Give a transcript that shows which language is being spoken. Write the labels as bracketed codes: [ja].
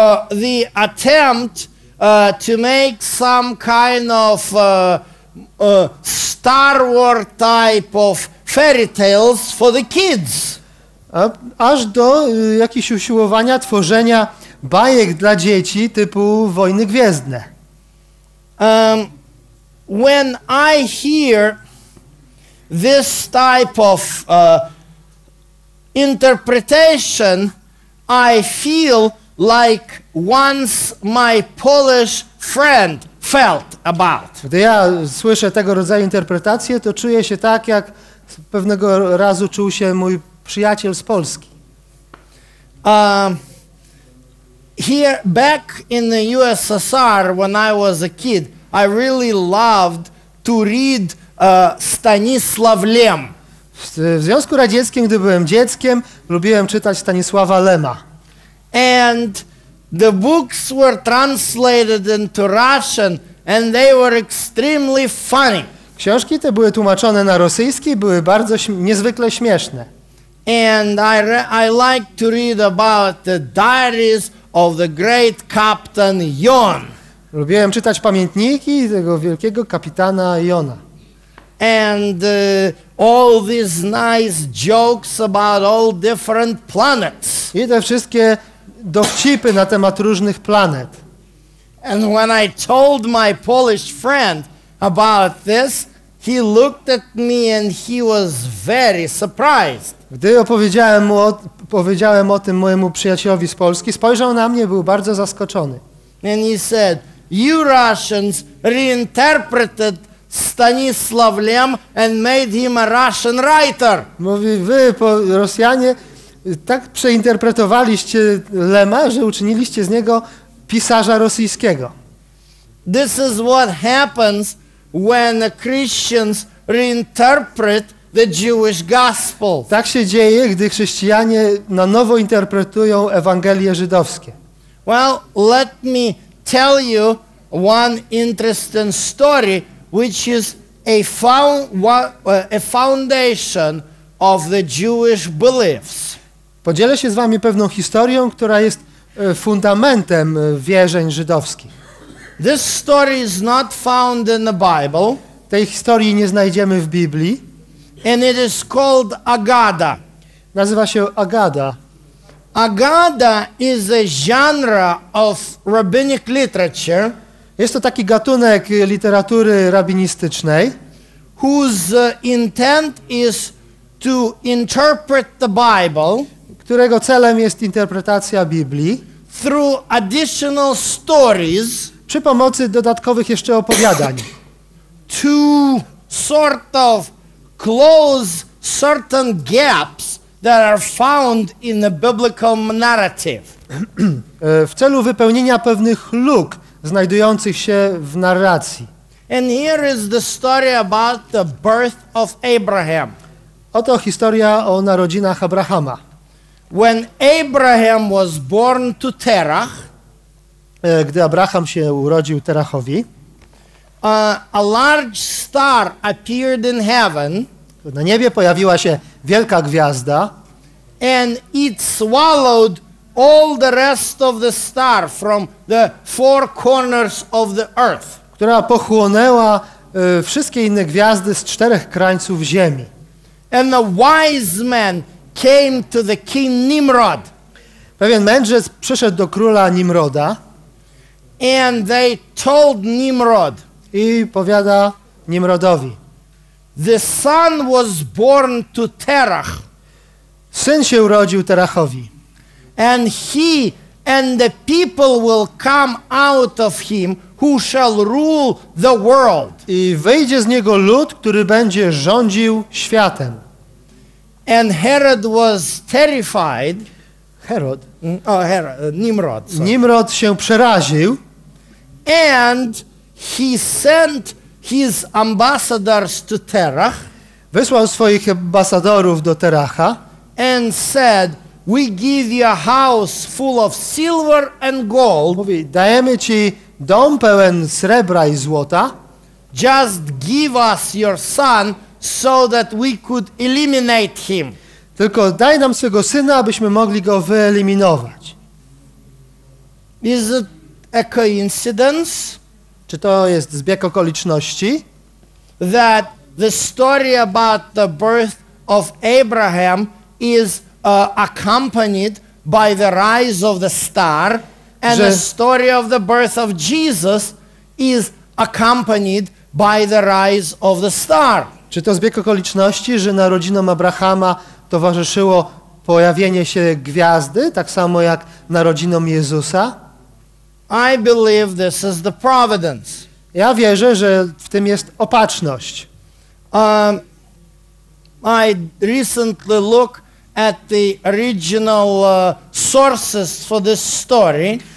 [en] the attempt to make some kind of Star Wars type of fairy tales for the kids. [pl] Aż do jakichś usiłowania tworzenia bajek dla dzieci typu Wojny Gwiezdne. [en] When I hear this type of interpretation, I feel like once my Polish friend felt about. [pl] Gdy ja słyszę tego rodzaju interpretację, to czuję się tak, jak pewnego razu czuł się mój przyjaciel z Polski. [en] Here back in the USSR, when I was a kid, I really loved to read Stanisław Lem. [pl] W Związku Radzieckim, gdy byłem dzieckiem, lubiłem czytać Stanisława Lema. [en] And the books were translated into Russian, and they were extremely funny. [pl] Książki te były tłumaczone na rosyjski, były bardzo niezwykle śmieszne. [en] And I like to read about the diaries of the great captain Jon. [pl] Lubiłem czytać pamiętniki tego wielkiego kapitana Jona. [en] And all these nice jokes about all different planets. [pl] I te wszystkie dowcipy na temat różnych planet. [en] And when I told my Polish friend about this, he looked at me and he was very surprised. [pl] Gdy powiedziałem o tym mojemu przyjacielowi z Polski, spojrzał na mnie, był bardzo zaskoczony. [en] And he said, "You Russians reinterpreted Stanisław Lem and made him a Russian writer." [pl] Mówi, wy, Rosjanie, tak przeinterpretowaliście Lema, że uczyniliście z niego pisarza rosyjskiego. [en] This is what happens when Christians reinterpret the Jewish gospel. [pl] Tak się dzieje, gdy chrześcijanie na nowo interpretują Ewangelie żydowskie. [en] Well, let me tell you one interesting story, which is a foundation of the Jewish beliefs. [pl] Podzielę się z wami pewną historią, która jest fundamentem wierzeń żydowskich. [en] This story is not found in the Bible. [pl] Tej historii nie znajdziemy w Biblii. [en] And it is called Agada. [pl] Nazywa się Agada. [en] Agada is a genre of rabbinic literature. [pl] Jest to taki gatunek literatury rabinistycznej, [en] whose intent is to interpret the Bible, [pl] którego celem jest interpretacja Biblii [en] through additional stories, [pl] przy pomocy dodatkowych jeszcze opowiadań, [en] to sort of close certain gaps that are found in the biblical narrative. [pl] W celu wypełnienia pewnych luk znajdujących się w narracji. [en] And here is the story about the birth of Abraham. [pl] Oto historia o narodzinach Abrahama. [en] When Abraham was born to Terach, [pl] gdy Abraham się urodził Terachowi, [en] a large star appeared in heaven. [pl] Na niebie pojawiła się wielka gwiazda. [en] And it swallowed all the rest of the star from the four corners of the earth. [pl] Która pochłonęła wszystkie inne gwiazdy z czterech krańców ziemi. [en] And the wise man came to the king Nimrod. [pl] Pewien mędrzec przyszedł do króla Nimroda. [en] And they told Nimrod. [pl] I powiada Nimrodowi. [en] The son was born to Terach. [pl] Syn się urodził Terachowi. [en] And he and the people will come out of him who shall rule the world. [pl] I wyjdzie z niego lud, który będzie rządził światem. [en] And Herod was terrified. [pl] Herod. [en] Nimrod. Sorry. [pl] Nimrod się przeraził. [en] And he sent his ambassadors to Terach. [pl] Wysłał swoich ambasadorów do Teracha. [en] And said, "We give you a house full of silver and gold." [pl] Mówi, dajemy ci dom pełen srebra i złota. [en] "Just give us your son so that we could eliminate him." [pl] Tylko daj nam swego syna, abyśmy mogli go wyeliminować. [en] Is it a coincidence? [pl] Czy to jest zbieg okoliczności? [en] That the story about the birth of Abraham is accompanied by the rise of the star, and the story of the birth of Jesus is accompanied by the rise of the star. [pl] Czy to zbieg okoliczności, że narodzinom Abrahama towarzyszyło pojawienie się gwiazdy, tak samo jak narodzinom Jezusa? [en] I believe this is the providence. [pl] Ja wierzę, że w tym jest opatrzność. [en] I recently looked at the original sources for this story.